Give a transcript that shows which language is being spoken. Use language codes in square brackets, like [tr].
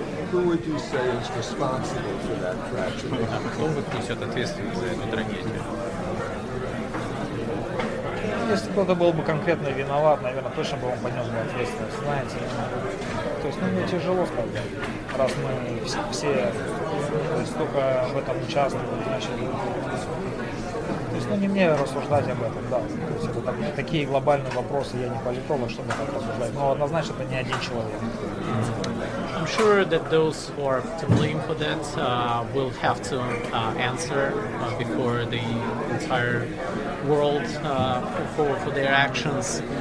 [en] Who would you say is responsible for that tragedy? [ru] Если кто-то был бы конкретно виноват, наверное, точно бы он понес бы ответственность, знаете. То есть, ну, мне тяжело сказать, раз мы все столько в этом участвуем, значит. То есть, ну, не мне рассуждать об этом, да. То есть, это там, такие глобальные вопросы, я не политолог, чтобы так рассуждать. Но однозначно это не один человек. [en] I'm sure that those who are to blame for that will have to answer before the entire world for their actions.